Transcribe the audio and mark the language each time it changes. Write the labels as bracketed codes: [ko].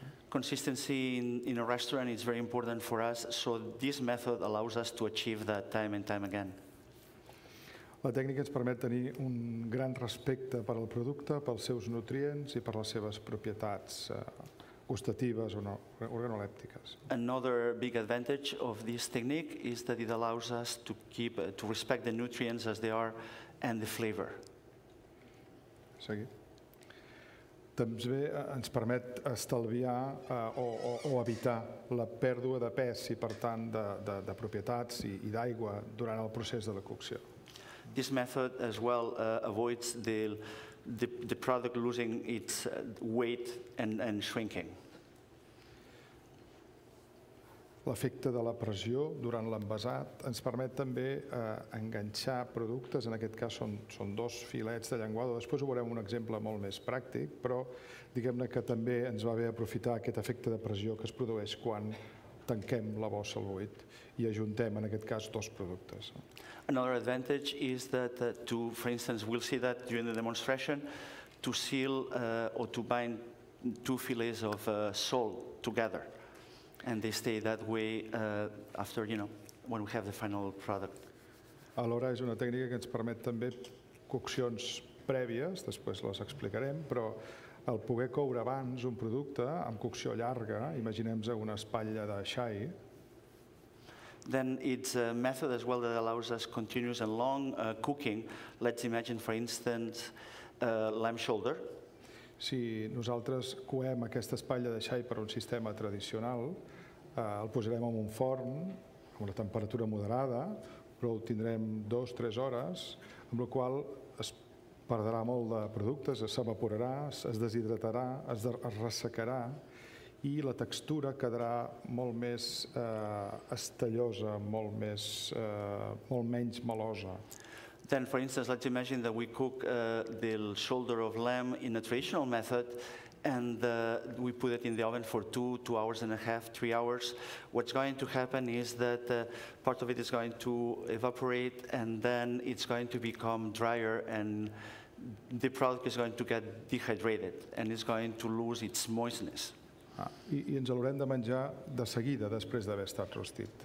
[en] Consistency in a restaurant is very important for us, so this method allows us to achieve that time and time again. [ca] La tècnica ens permet tenir un gran respecte per al producte, pels seus nutrients i per les seves propietats gustatives o no, organolèptiques. [en] Another big advantage of this technique is that it allows us to respect the nutrients as they are and the flavor. [ca] Seguit. També ens permet estalviar o evitar la pèrdua de pes i, per tant, de propietats i d'aigua durant el procés de la cocció. [en] This method as well avoids the product losing its weight and shrinking. [ca] L'efecte de la pressió durant l'envasat ens permet també enganxar productes, en aquest cas són dos filets de llenguado, després ho veurem un exemple molt més pràctic, però diguem-ne que també ens va bé aprofitar aquest efecte de pressió que es produeix quan tanquem la bossa al buit i ajuntem, en aquest cas, dos productes. [en] Another advantage is that, for instance, we'll see that during the demonstration, to seal or to bind two fillets of sole together. And they stay that way after, you know, when we have the final product. [ca] Alhora és una tècnica que ens permet també coccions prèvies, després les explicarem, però el poder coure abans un producte amb cocció llarga, imaginem-nos una espatlla de xai. [en] Then it's a method as well that allows us continuous and long cooking. Let's imagine, for instance, lamb shoulder. [ca] Si nosaltres coem aquesta espatlla de xai per un sistema tradicional, el posarem en un forn amb una temperatura moderada, però ho tindrem 2-3 hores, amb la qual es perdrà molt de productes, s'evaporarà, es deshidratarà, es ressecarà i la textura quedarà molt més estellosa, molt menys melosa. [en] Then, for instance, let's imagine that we cook the shoulder of lamb in a traditional method and we put it in the oven for 2 hours and a half, 3 hours. What's going to happen is that part of it is going to evaporate and then it's going to become drier and the product is going to get dehydrated and it's going to lose its moistness. [ca] I ens l'haurem de menjar de seguida després d'haver estat rostit.